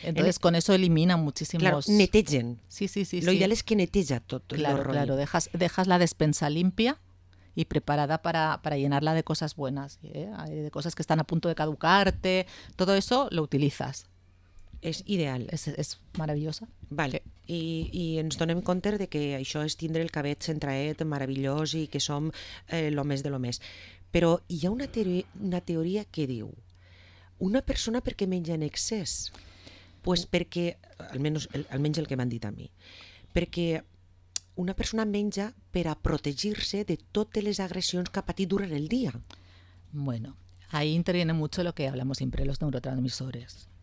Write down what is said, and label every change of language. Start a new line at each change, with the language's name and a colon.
Spanish: entonces con eso elimina muchísimos.
Catalan: Claro, netejen.
Spanish: Sí. Lo ideal es que neteja todo. Claro, dejas la despensa limpia y preparada para llenarla de cosas buenas, ¿eh? De cosas que están a punto de caducarte, todo eso lo utilizas. Es ideal. Es maravillosa. Vale, sí.
Catalan: Y nos donem compte de que això és tindre el cabet centraet, meravellós, i que som lo més de lo més. Però hi ha una teoria que diu, una persona per què menja en excés? Pues perquè, almenys el que m'han dit a mi, perquè una persona menja per a protegir-se de totes les agressions que ha patit durant el dia.
Spanish: Bueno, ahí interviene mucho lo que hablamos siempre, los neurotransmisores.